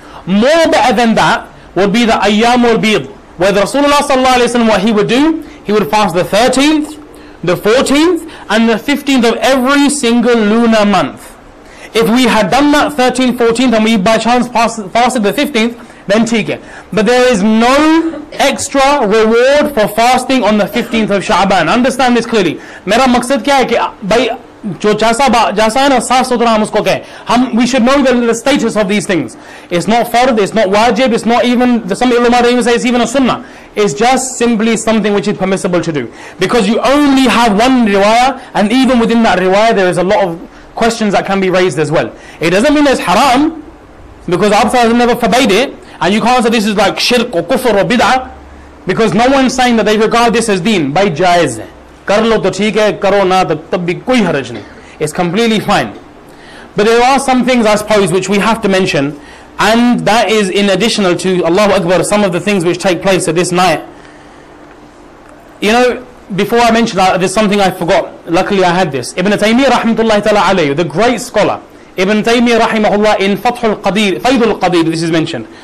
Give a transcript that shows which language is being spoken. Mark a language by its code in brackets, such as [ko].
[en] More better than that would be the ayyamul bid, where the Rasulullah sallallahu alayhi wa sallam, what he would do, he would fast the 13th, the 14th, and the 15th of every single lunar month. If we had done that 13th, 14th, and we by chance fasted the 15th, then take it. But there is no extra reward for fasting on the 15th of Sha'ban. Understand this clearly. [ur] میرا مقصد کیا ہے کہ، بھائی، جو جیسا ہے نا، صاف ستھرا ہم اس کو کہے۔ [en] We should know the status of these things. It's not fard, it's not wajib, it's not even, some ulama even say it's even a sunnah. Is just simply something which is permissible to do. Because you only have one riwayah, and even within that riwayah, there is a lot of questions that can be raised as well. It doesn't mean it's haram, because Abdullah has never forbade it, and you can't say this is like shirk or kufr or bid'ah, because no one's saying that they regard this as deen, by jaiz. [ur] کر لو تو ٹھیک ہے، کرو نا تو تب بھی کوئی حرج نہیں۔ [en] It's completely fine. But there are some things, I suppose, which we have to mention. And that is in additional to Allahu Akbar, some of the things which take place at this night. You know, before I mention that, there's something I forgot. Luckily I had this. Ibn Taymiyyah rahmatullahi ta'ala alayhi, the great scholar. Ibn Taymiyyah rahimahullah in Fathul Qadir, Faydul Qadir, this is mentioned.